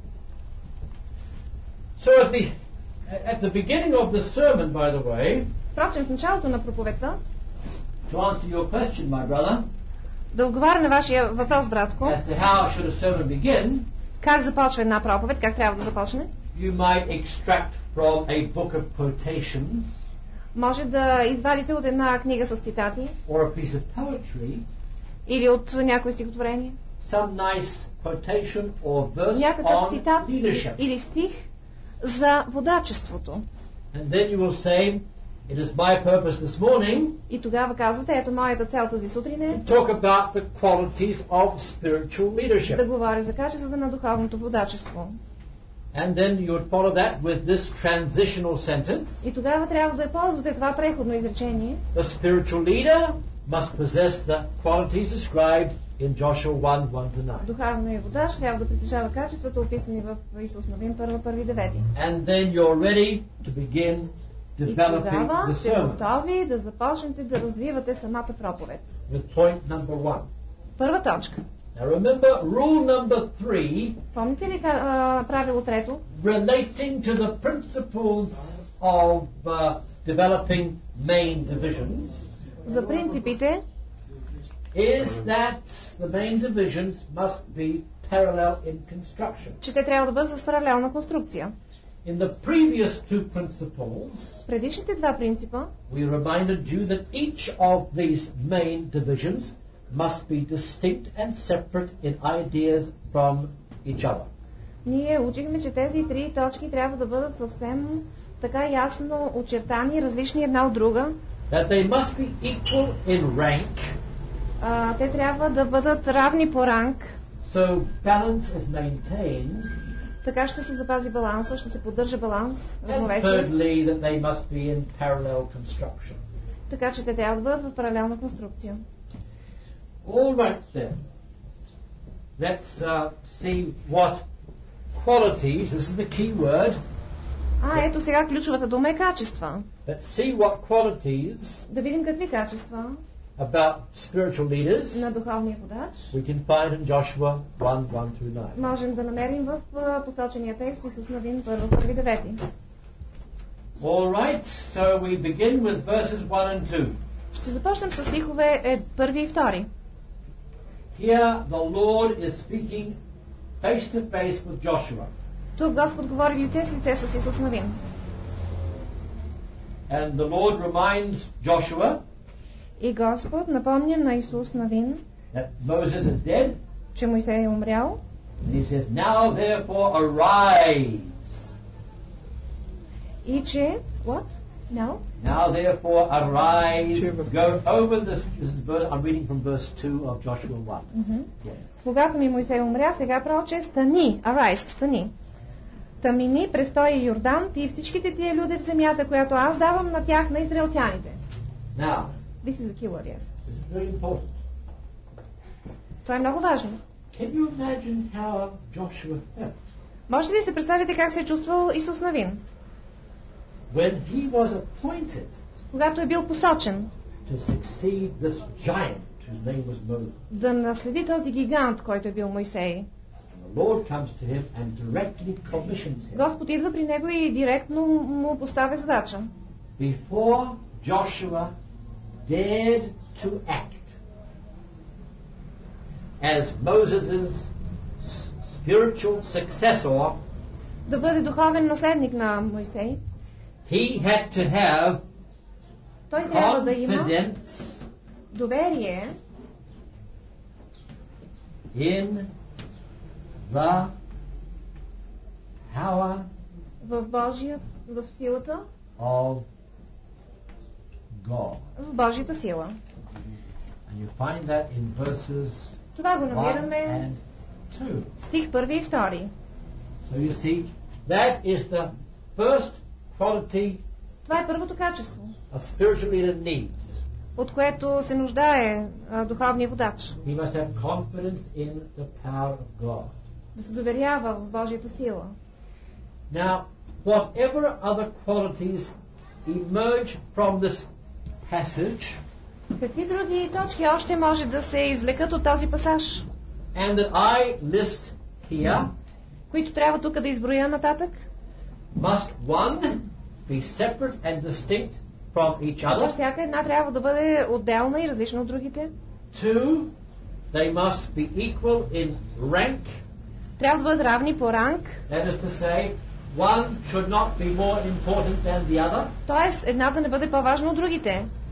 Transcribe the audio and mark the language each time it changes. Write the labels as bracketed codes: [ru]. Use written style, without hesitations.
[en] 1:1-9 So at the beginning of the sermon, by the way, [bg] впрочем, в началото на проповедта, [en] to answer your question, my brother, [bg] да отговаря на вашия въпрос, братко, [en] as to how should a sermon begin, [bg] как започва една проповед, как трябва да започне, [en] you might extract from a book of quotations, [bg] може да извадите от една книга с цитати, [en] or a piece of poetry, [bg] или от някое стихотворение, [en] some nice quotation or verse, [bg] някакъв цитат [en] on leadership, [bg] или стих за водачеството. [en] And then you will say, it is my purpose this morning, [bg] и тогава казвате, ето моята цел тази сутрин е, [en] to talk about the qualities of spiritual leadership, [bg] да говоря за качествата на духовното водачество. [en] And then you would follow that with this transitional sentence. [bg] И тогава трябва да ползвате това преходно изречение. [en] The spiritual leader must possess the qualities described in Joshua 1:1-9. [bg] Духовният водач трябва да притежава качествата, описани в Исус Навин 1:1-9. [en] And then you're ready to begin developing the sermon. [bg] И тогава сте готови да започнете да развивате самата проповед. [en] With point number one. [bg] Първа точка. [en] Now remember rule number 3. [bg] Помните ли правило трето? [en] Relating to the principles of developing main divisions. [bg] За принципите. [en] Is that the main divisions must be parallel in construction. [bg] Че те трябва да бъдат с паралелна конструкция. [en] In the previous two principles, [bg] предишните два принципа, [en] we reminded you that each of these main divisions must be distinct and separate in ideas from each other. [bg] Ние учихме, че тези три точки трябва да бъдат съвсем така ясно очертани, различни една от друга. [en] That they must be equal in rank. [bg] Те трябва да бъдат равни по ранг. [en] So balance is maintained. [bg] Така ще се запази баланса, ще се поддържа баланс, равновесие. [en] Thirdly, that they must be in parallel construction. [bg] Така че те трябва да бъдат в паралелна конструкция. [en] All right then. Let's see what qualities. This is the key word. [bg] Ето сега ключовата дума е качества. [en] Let's see what qualities. [bg] Да видим какви качества. [en] about spiritual leaders, [bg] на духовния водач, [en] we can find in Joshua 1:1-9. [bg] Можем да намерим в посочения текст Исус Навин 1:9. [en] All right, so we begin with verses 1 and 2. [bg] Ще започнем с стихове 1 и 2. [en] Here the Lord is speaking face to face with Joshua. [bg] Тук Господ говори лице с лице с Исус Навин. [en] And the Lord reminds Joshua. [bg] И Господ напомня на Исус Навин. [en] That Moses is dead. [bg] Че Моисей е умрял. [en] And he says, now therefore arise. [bg] И че, [en] what? Now? Now therefore arise, go over this. This is verse, I'm reading from verse 2 of Joshua 1. [bg] Слугата ми Моисей умря, сега проче, стани, [en] arise, [bg] стани. Тамини, престой Йордан, ти и всичките тия люди в земята, която аз давам на тях, на израелтяните. [en] Now, this is a key word, yes. This is very important. [bg] Това е много важно. [en] Can you imagine how Joshua felt? [bg] Можете ли се представите как се е чувствал Исус Навин? [en] When he was appointed, [bg] когато е бил посочен, [en] to succeed this giant whose name was Moses. [bg] Да наследи този гигант, който е бил Моисей. [en] Lord comes to him and directly commissions him. [bg] Господ идва при него и директно му поставя задача. [en] Before Joshua dared to act as Moses' spiritual successor, [bg] да бъде духовен наследник на Моисей, [en] he had to have [bg] той трябва да има [en] confidence, [bg] доверие [en] in the power, [bg] в Божия, в силата, [en] of God, [bg] в Божията сила. [en] And you find that in verses, [bg] това го намираме стих 1 и 2. [en] So you see, that is the first quality, [bg] това е първото качество, [en] a spiritual leader needs, [bg] от което се нуждае духовният водач. [en] He must have confidence in the power of God. [bg] Да се доверява в Божията сила. [en] Now, whatever other qualities emerge from this passage, [bg] какви други точки още може да се извлекат от този пасаж? [en] And that I list here, [bg] които трябва тук да изброя нататък, [en] must one be separate and distinct from each other? [bg] Всяка една трябва да бъде отделна и различна от другите. [en] Two, they must be equal in rank. [bg] Трябва да бъдат равни по ранг. [en] That is to say, one should not be more important than the other. [bg] Тоест, една да не бъде по-важна от другите.